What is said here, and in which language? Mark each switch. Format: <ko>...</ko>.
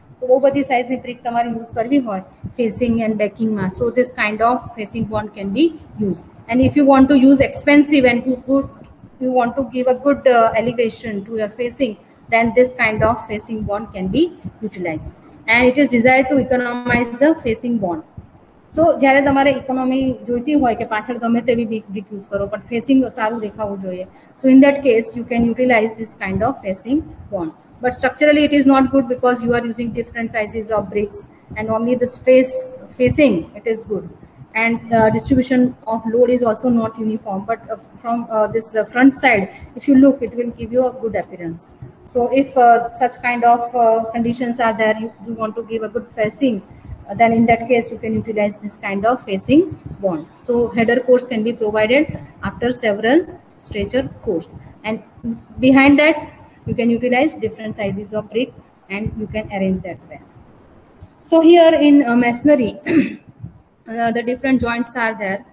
<en>So</en> <gu>wo badi size ni brick tamari use karvi hoy</gu> <en>facing and backing ma, so this kind of facing bond can be used. And if you want to use expensive and good, you want to give a good elevation to your facing, then this kind of facing bond can be utilized. And it is desired to economize the facing bond.</en> <gu>So જ્યારે તમારે economy જોઈતી હોય કે પાછળ ગમે તેવી brick use કરો પણ ફેસિંગ સારું દેખાવું જોઈએ,</gu> <en>So in that case you can utilize this kind of facing bond. But structurally it is not good because you are using different sizes of bricks and only this facing it is good. And distribution of load is also not uniform, but from this front side if you look it will give you a good appearance. So if such kind of conditions are there, you want to give a good facing, then in that case you can utilize this kind of facing bond. So header course can be provided after several stretcher course, and behind that you can utilize different sizes of brick and you can arrange that well. So here in masonry the different joints are there.</en>